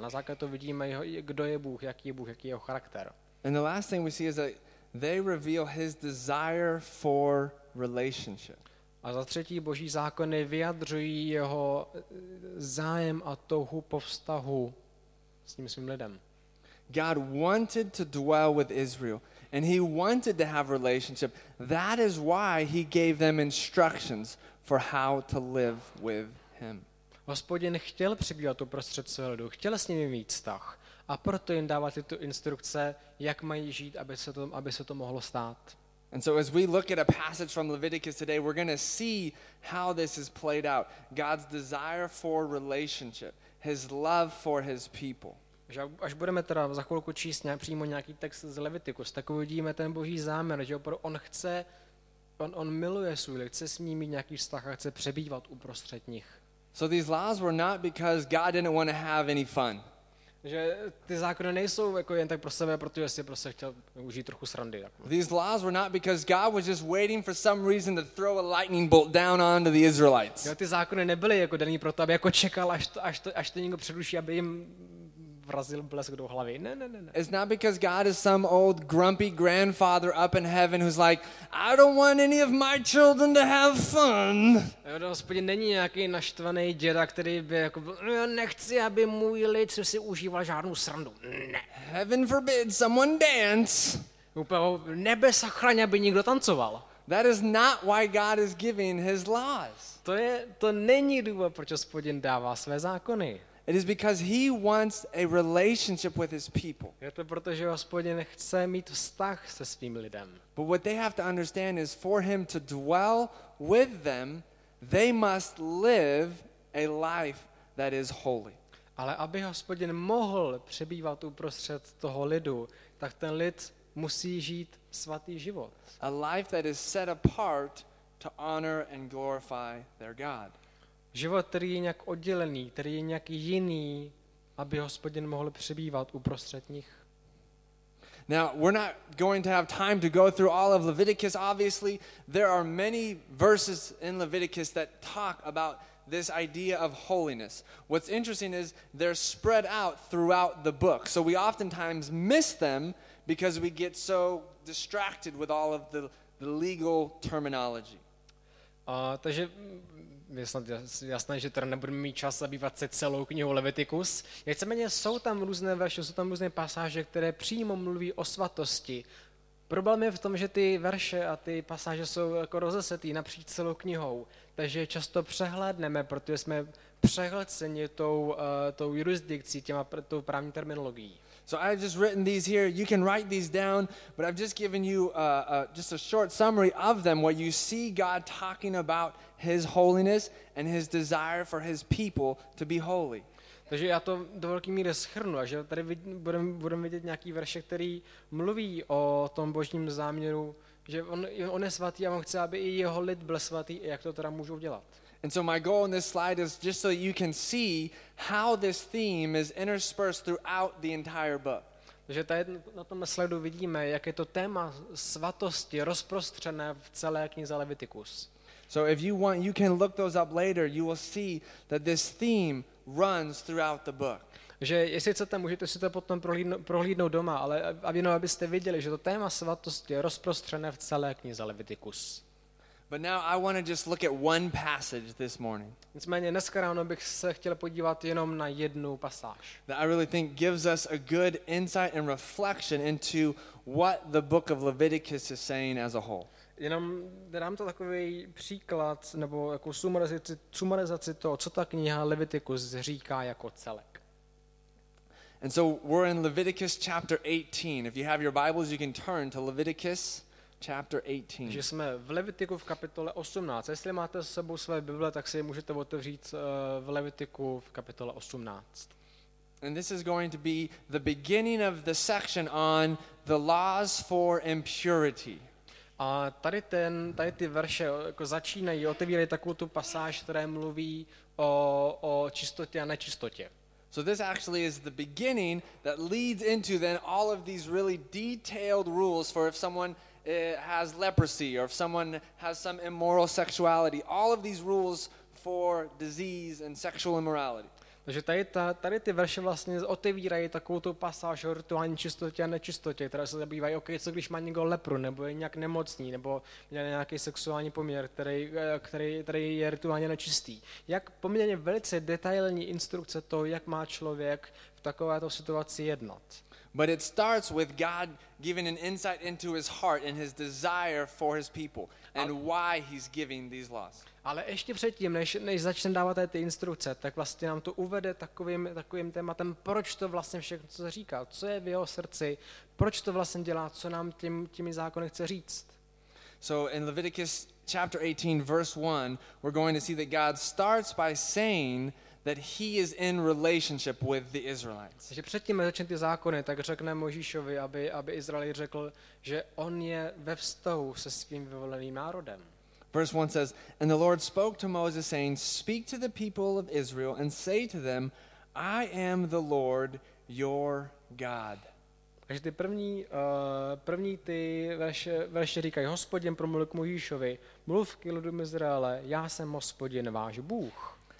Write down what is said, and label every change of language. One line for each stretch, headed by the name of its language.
Czech: Na základě toho vidíme, kdo je Bůh, jaký je Bůh, jaký je jeho charakter.
English: And the last thing we see is that they reveal his desire for relationship.
Czech: A za třetí, boží zákony vyjadřují jeho zájem a touhu po vztahu s tím svým lidem.
English: God wanted to dwell with Israel. And he wanted to have a relationship. That is why he gave them instructions for how to live with him.
Czech: Hospodin chtěl přibývat uprostřed svého lidu, chtěl s nimi mít vztah. A proto jim dává tyto instrukce, jak mají žít, aby se to mohlo stát.
English: And so as we look at a passage from Leviticus today, we're going to see how this is played out. God's desire for relationship, his love for his people.
Czech: Až budeme teda za chvilku číst přímo nějaký text z Leviticus, tak uvidíme ten boží záměr, že opravdu on chce, on miluje svůj lid, chce s ním mít nějaký vztah a chce přebývat uprostřed nich.
English: So these laws were not because God didn't want to have any fun.
Czech: Že ty zákony nejsou jako jen tak pro sebe, protože si prostě chtěl užít trochu srandy.
English: These laws were not because God was just waiting for some reason to throw a lightning bolt down onto the Israelites.
Czech: Jo, ty zákony nebyly jako daný proto, aby jako čekal, až to někdo předuší, aby jim vrazil blesk do hlavy. Ne.
English: It's not because God is some old grumpy grandfather up in heaven who's like, I don't want any of my children to have fun.
Czech: Jo, Hospodin není nějaký naštvaný děda, který by jako byl, já nechci, aby můj lid si užíval žádnou srandu. Ne.
English: Heaven forbid someone dance.
Czech: Úplně nebe sachraň, aby nikdo tancoval.
English: That is not why God is giving his laws.
Czech: To není důvod, proč Hospodin dává své zákony.
English: It is because he wants a relationship with his people.
Czech: Je to proto, že Hospodin chce mít vztah se svým lidem.
English: But what they have to understand is for him to dwell with them, they must live a life that is holy.
Czech: Ale aby Hospodin mohl přebývat uprostřed toho lidu, tak ten lid musí žít svatý život.
English: A life that is set apart to honor and glorify their God.
Czech: Život, který je nějak oddělený, který je nějak jiný, aby Hospodin mohl přebývat uprostřed nich.
English: Now, we're not going to have time to go through all of Leviticus, obviously. There are many verses in Leviticus that talk about this idea of holiness. What's interesting is they're spread out throughout the book. So we oftentimes miss them because we get so distracted with all of the legal terminology.
Czech: Takže je snad jasné, že tady nebudeme mít čas zabývat se celou knihou Leviticus. Nicméně jsou tam různé verše, jsou tam různé pasáže, které přímo mluví o svatosti. Problém je v tom, že ty verše a ty pasáže jsou jako rozesetý napříč celou knihou, takže často přehlédneme, protože jsme přehlceni tou jurisdikcí, tou právní terminologií.
English: So I've just written these here. You can write these down, but I've just given you just a short summary of them, what you see God talking about his holiness and his desire for his people to be holy.
Czech: Takže já to do velké míry shrnu, že tady budeme vidět nějaký verše, který mluví o tom božím záměru, že on je svatý a on chce, aby i jeho lid byl svatý, a jak to teda můžou dělat.
English: And so my goal on this slide is just so you can see how this theme is interspersed throughout the entire book.
Czech: Takže tady na tom slajdu vidíme, jak je to téma svatosti rozprostřené v celé knize Leviticus.
English: So if you want, you can look those up later. You will see that this theme runs throughout the book.
Czech: Že jestli chcete, můžete si to potom prohlídnout doma, ale jenom abyste viděli, že to téma svatosti je rozprostřené v celé knize Leviticus.
English: But now I want to just look at one passage this morning.
Czech: Nicméně dneska ráno bych se chtěl podívat jenom na jednu pasáž.
English: That I really think gives us a good insight and reflection into what the book of Leviticus is saying as a whole.
Czech: Jenom dám to takový příklad nebo jako sumarizaci toho, co ta kniha Leviticus říká jako celek.
English: And so we're in Leviticus chapter 18. If you have your Bibles, you can turn to Leviticus chapter 18.
Czech: Že jsme v Levitiku v kapitole 18. Jestli máte s sebou své Bible, tak si je můžete otevřít v Levitiku v kapitole 18.
English: And this is going to be the beginning of the section on the laws for impurity.
Czech: A tady ty verše jako začínají, otevírají takovou tu pasáž, která mluví o čistotě a nečistotě.
English: So this actually is the beginning that leads into then all of these really detailed rules for if someone has leprosy or if someone has some immoral sexuality, all of these rules for disease and sexual immorality.
Czech: Takže tady ty verše vlastně otevírají takovou tu pasáž o rituální čistotě a nečistotě, která se zabývají, ok, co když má někdo lepru, nebo je nějak nemocný, nebo měl nějaký sexuální poměr, který je rituálně nečistý. Jak poměrně velice detailní instrukce toho, jak má člověk v takovéto situaci jednat.
English: But it starts with God giving an insight into his heart and his desire for his people and why he's giving these laws.
Czech: Ale ještě předtím, než začne dávat ty instrukce, tak vlastně nám to uvede takovým tématem, proč to vlastně všechno co říká, co je v jeho srdci, proč to vlastně dělá, co nám těmi zákony chce říct.
English: So in Leviticus chapter 18 verse 1, we're going to see that God starts by saying that he is in relationship with the Israelites.
Czech: Takže předtím, než začne ty zákony, tak řekne Mojžíšovi, aby Izraeli řekl, že on je ve vztahu se svým vyvoleným národem.
English: Verse 1 says, and the Lord spoke to Moses saying, speak to the people of Israel and say to them, I am the Lord your God.
Czech: Takže ty první ty verše říkají, Hospodin promluvil k Mojžíšovi, mluv k lidu Izraele, já jsem Hospodin váš Bůh.